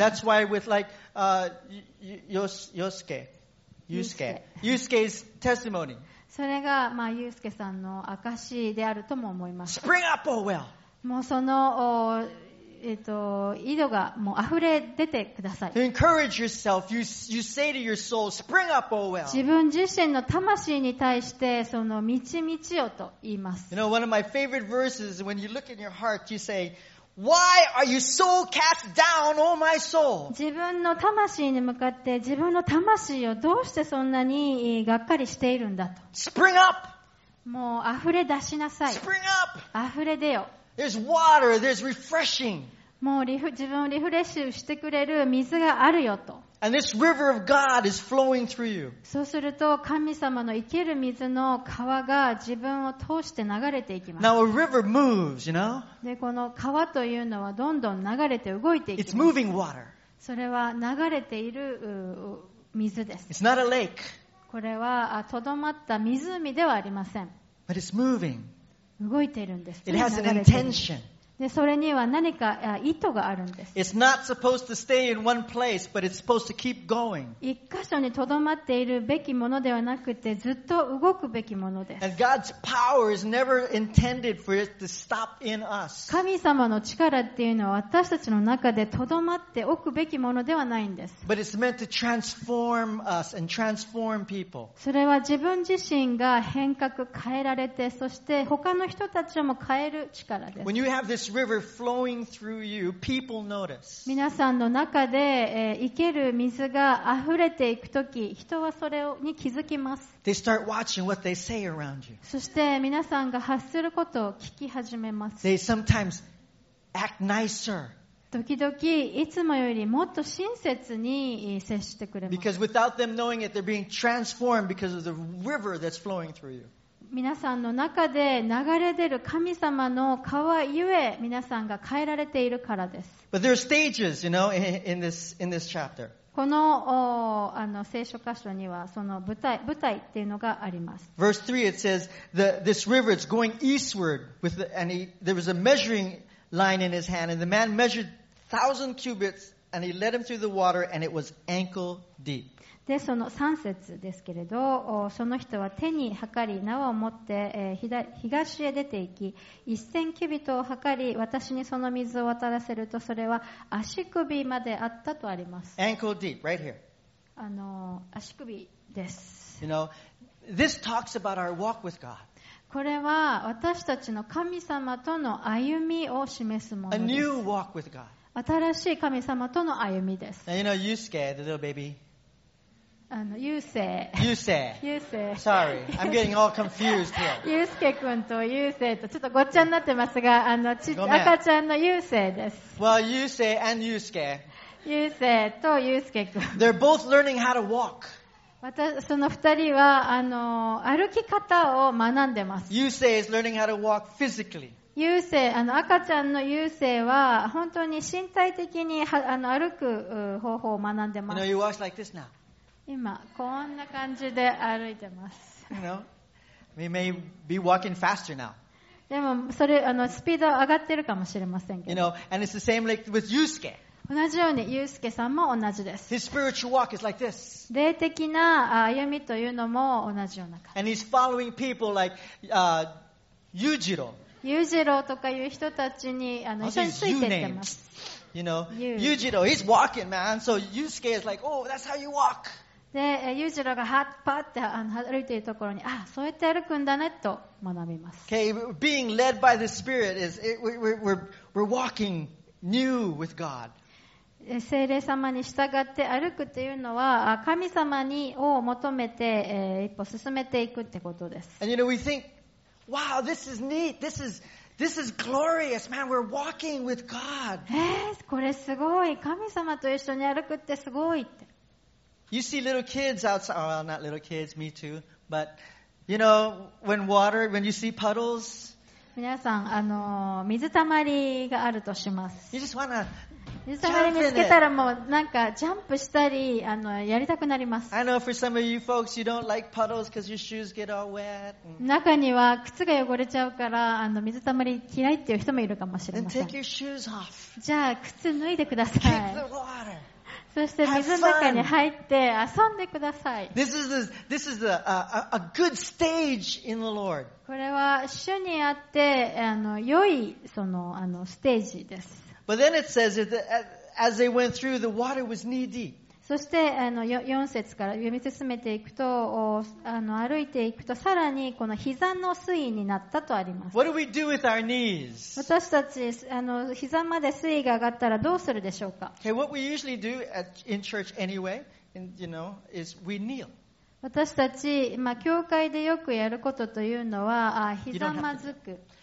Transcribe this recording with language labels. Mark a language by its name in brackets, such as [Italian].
[English] That's why with like Yosuke, Yusuke's testimony. [Japanese] それがまあユウスケさんの証であるとも思います。 [English] Spring up, oh well. [Japanese] もうその井戸がもう溢れ出てください。 [English] Encourage yourself. You say to your soul, "Spring up, oh well." [Japanese] 自分自身の魂に対してその満ち満ちよと言います。 [English] You know, one of my favorite verses is when you look in your heart, you say, "Why are you so cast down, oh my soul?" [Japanese] 自分の魂に向かって自分の魂をどうしてそんなにがっかりしているんだと。 [English] Spring up. [Japanese] もう溢れ出しなさい。 [English] Spring up. [Japanese] 溢れ出よ。 [English] There's water, there's refreshing. [Japanese] もう自分をリフレッシュしてくれる水があるよと。 [English] And this river of God is flowing through you. [Japanese] そうすると神様の生ける水の川が自分を通して流れていきます。 [English] Now a river moves, you know? [Japanese] で、この川というのはどんどん流れて動いていきます。 [English] It's moving water. [Japanese] それは流れている水です。 [English] It's not a lake. [Japanese] これはとどまった湖ではありません。 [English] But it's moving. [Japanese] 動いているんです。 [English] It has an intention. [Japanese] でそれには何か意図があるんです。 [English] It's not supposed to stay in one place, but it's supposed to keep going. [Japanese] 一箇所に留まっているべきものではなくて、ずっと動くべきものです。 [English] And God's power is never intended for it to stop in us. [Japanese] 神様の力っていうのは私たちの中で留まっておくべきものではないんです。 [English] But it's meant to transform us and transform people. [Japanese] それは自分自身が変革、変えられて、そして他の人たちをも変える力です。 [English] When you have this river flowing through you, people notice. [Japanese] 皆さんの中で生ける水が溢れていくとき、人はそれに気づきます。 [English] They start watching what they say around you. [Japanese] そして皆さんが発することを聞き始めます。 [English] They sometimes act nicer. [Japanese] 時々いつもよりもっと親切に接してくれます。 [English] Because without them knowing it, they're being transformed because of the river that's flowing through you. [Japanese] 皆さんの中で流れ出る神様の川ゆえ皆さんが変えられているからです。 [English] But there are stages, you know, in this chapter. [Japanese] この、聖書箇所にはその舞台っていうのがあります。 [English] Verse 3 it says this river is going eastward with there was a measuring line in his hand and the man measured 1,000 cubits and he led him through the water and it was ankle deep. [Japanese] でその3節ですけれど、その人は手に測り縄を持って、東へ出て行き、1000キュビットを測り私にその水を渡らせると、それは足首まであったとあります。 [English] Ankle deep, right here. [Japanese] 足首です。 [English] You know, this talks about our walk with God. [Japanese] これは私たちの神様との歩みを示すものです。 [English] A new walk with God. [Japanese] 新しい神様との歩みです。 [English] Now, you know, Yusuke, the little baby [Japanese] ユーセイ [English] Sorry, I'm getting all confused here. [Japanese] ユースケ君とユーセイとちょっとごっちゃになってますが、赤ちゃんのユーセイです。 [English] Well, ユーセイ and ユースケ。 [Japanese] ユーセイとユースケ君。 [English] They're both learning how to walk. [Japanese] その二人は歩き方を学んでます。 [English] ユーセイ is learning how to walk physically. [Japanese] ユーセイ、赤ちゃんのユーセイは本当に身体的に歩く方法を学んでます。 [English] You know, you walk like this now. [Japanese] 今こんな感じで歩いてます。 [English] You know, we may be walking faster now. [Japanese] でもそれスピード上がってるかもしれませんけど。 [English] You know, and it's the same like with Yusuke. [Japanese] 同じようにユウスケさんも同じです。 [English] His spiritual walk is like this. [Japanese] 霊的な歩みというのも同じような感じ。 [English] And he's following people like Yujiro. [Japanese] Yujiro とかいう人たちに一緒についていってます。 [English] You know, Yujiro, he's walking, man. So Yusuke is like, oh, that's how you walk. [Japanese] で、ユージローがハッパって歩いているところに、あ、そうやって歩くんだねと学びます。 [English] Okay, being led by the Spirit is we're walking new with God. [Japanese] 聖霊様に従って歩くっていうのは、神様にを求めて一歩進めていくってことです。 [English] And you know, we think, wow, this is neat. This is glorious, man. We're walking with God. [Japanese] これすごい。神様と一緒に歩くってすごいって。 [English] You see little kids outside. Well, not little kids. Me too. But you know, when you see puddles. [Japanese] 皆さん水たまりがあるとします。 [English] You just wanna. [Japanese] 水たまり見つけたらもうなんかジャンプしたりやりたくなります。 [English] I know for some of you folks, you don't like puddles because your shoes get all wet. [Japanese] 中には靴が汚れちゃうから水たまり嫌いっていう人もいるかもしれません。 [English] Then take your shoes off. [Japanese] じゃあ靴脱いでください。 [English] Keep the water. [Japanese] そして水の中に入って遊んでください。 [English] This is a good stage in the Lord. [Japanese] これは主にあって良いステージです。 [English] But then it says that as they went through, the water was knee deep. [Japanese] そして4節から読み進めていくと歩いていくとさらにこの膝の水位になったとあります。 [English] What do we do with our knees? [Japanese] 私たち膝まで水位が上がったらどうするでしょうか? [English] Okay, what we usually do in church anyway, you know, is we kneel. [Japanese] 私たち、教会でよくやることというのは、膝まずく。